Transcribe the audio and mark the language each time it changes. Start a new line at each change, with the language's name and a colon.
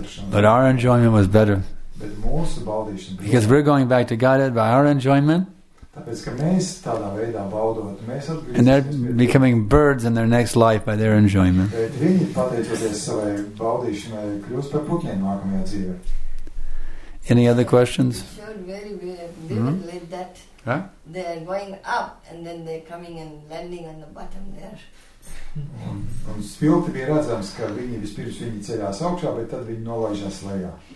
English: But our enjoyment was better.
Latvian: Bet mūsu baudīšana bija.
English: Because we're going back to Godhead by our enjoyment.
Latvian: Tāpēc, ka mēs tādā veidā baudot, mēs atgriezīsimies.
English: And they're becoming birds in their next life by their enjoyment.
Latvian: Bet viņi, pateicoties savai baudīšanai, kļūs par putniem nākamajā dzīvē.
English: Any other questions? Sure, very weird. They would live that. Huh? They are going up and then they're coming and landing on the bottom there.
Latvian: Un spilti bija redzams, ka viņi vispirms viņi ceļās augšā, bet tad viņi nolaižas lejā.